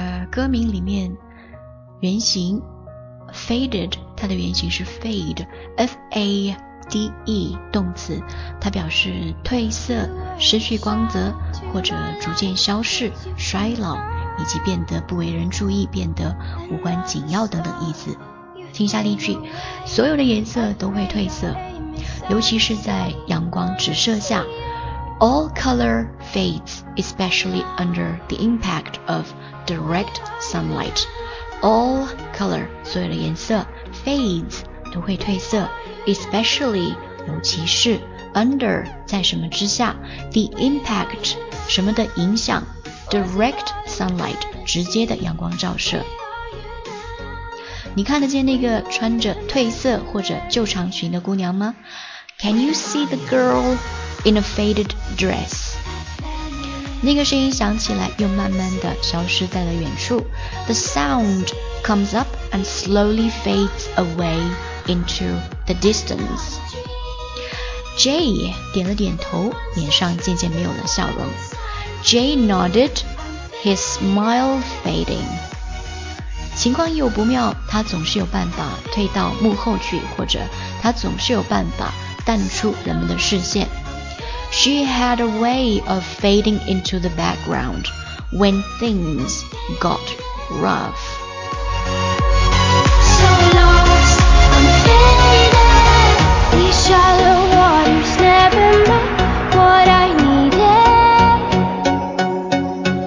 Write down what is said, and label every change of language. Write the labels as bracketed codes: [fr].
[zh] 歌名里面原型 faded， 它的原型是 fade，F-A-D-E， 动词，它表示褪色、失去光泽或者逐渐消逝、衰老，以及变得不为人注意、变得无关紧要等等意思。听下例句，所有的颜色都会褪色，尤其是在阳光直射下。 [en] All color fades, especially under the impact of direct sunlight. All color, [zh] 所有的颜色 [en] fades, [zh] 都会褪色， [en] especially, [zh] 尤其是 [en] under, [zh] 在什么之下， [en] the impact, [zh] 什么的影响， [en] direct sunlight, [zh] 直接的阳光照射。你看得见那个穿着褪色或者旧长裙的姑娘吗？ [en] Can you see the girl in a faded dress? [zh] 那个声音响起来又慢慢地消失在了远处。 [en] The sound comes up and slowly fades away into the distance. [zh] Jay 点了点头，脸上渐渐没有了笑容。 [en] Jay nodded, his smile fading. [zh] 情况一有不妙，他总是有办法退到幕后去，或者他总是有办法淡出人们的视线。 [en] She had a way of fading into the background when things got rough. So lost, I'm faded. These shallow waters never know what I needed.